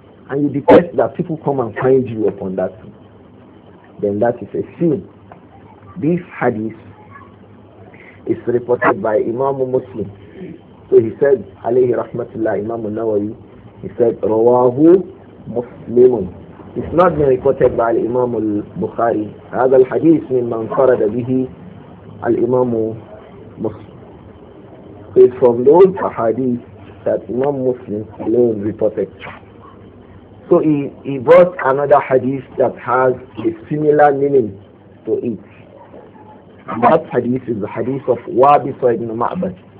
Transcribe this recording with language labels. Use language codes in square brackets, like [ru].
[en] And you detest that people come and find you upon that. Then that is a sin. This hadith is reported by Imam Muslim. So he said, [ar] alayhi rahmatullah, [en] Imam Nawawi, he said, [ar] rawahu مسلم. [en] It's not been reported by Imam al-Bukhari. [ar] هذا الحديث من من فرد به الإمام مسلم. [en] It's from those ahadith that Imam Muslim alone reported. So he brought another hadith that has a similar meaning to it. And that hadith is the hadith of وابصة بن معبد.